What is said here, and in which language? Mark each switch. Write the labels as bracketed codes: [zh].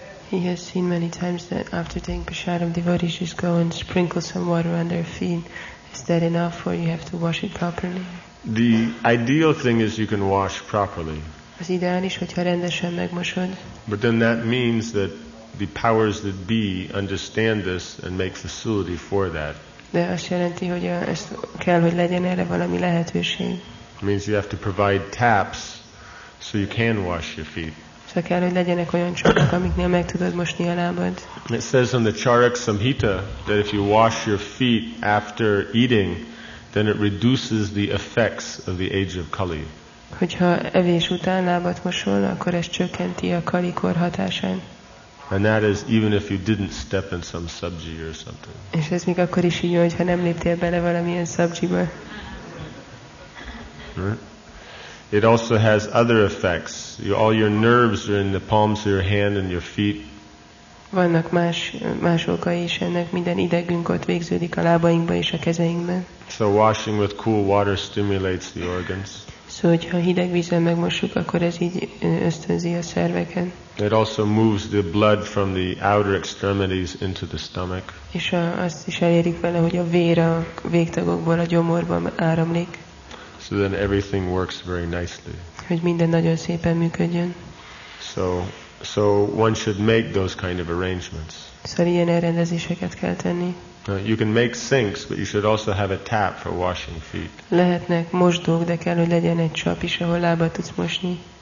[en] He has seen many times that after taking prasadam, devotees just go and sprinkle some water on their feet. Is that enough, or you have to wash it properly? The ideal thing is you can wash properly. [hu] Az ideális, hogyha rendesen megmosod. [en] But then that means that the powers that be understand this and make facility for that. [hu] De azt jelenti, hogy ezt kell, hogy legyen erre valami lehetőség. [en] It means you have to provide taps so you can wash your feet. [hu] Szóval kell, hogy legyenek olyan csapok, amiknél meg tudod mosni a lábad. [en] It says in the Charak Samhita that if you wash your feet after eating, then it reduces the effects of the age of Kali. [hu] Hogyha evés után lábat mosol, akkor ez csökkenti a Kali kor hatásán. [en] And that is even if you didn't step in some sabji or something. [hu] És ez még akkor is így, hogyha nem léptél bele valamilyen sabjiba. [en] It also has other effects. All your nerves are in the palms of your hand and your feet. [hu] Vannak más okai is ennek, minden idegünk ott végződik a lábainkba és a kezeinkben. [en] So washing with cool water stimulates the organs. [hu] So, hogyha hideg vízzel megmossuk, akkor ez így ösztönzi a szerveken. [en] It also moves the blood from the outer extremities into the stomach. [hu] És azt is elérik vele, hogy a vér a végtagokból a gyomorba áramlik. [en] So then everything works very nicely. [hu] Hogy minden nagyon szépen működjön. [en] So one should make those kind of arrangements. [hu] Szóval ilyen elrendezéseket kell tenni. [en] You can make sinks, but you should also have a tap for washing feet. [hu] Lehetnek mosdók, de kell, hogy legyen egy csap is, ahol lábat tudsz mosni.